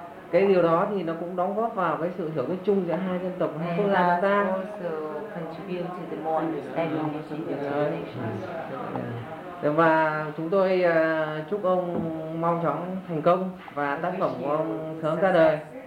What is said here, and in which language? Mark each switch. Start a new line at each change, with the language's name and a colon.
Vietnamese: Cái điều đó thì nó cũng đóng góp vào cái sự hiểu biết chung giữa hai dân tộc, hai quốc gia chúng ta.
English: Also contribute to the more understanding between the two nations.
Vietnamese: Và chúng tôi chúc ông mong chóng thành công và tác phẩm của ông sớm ra đời.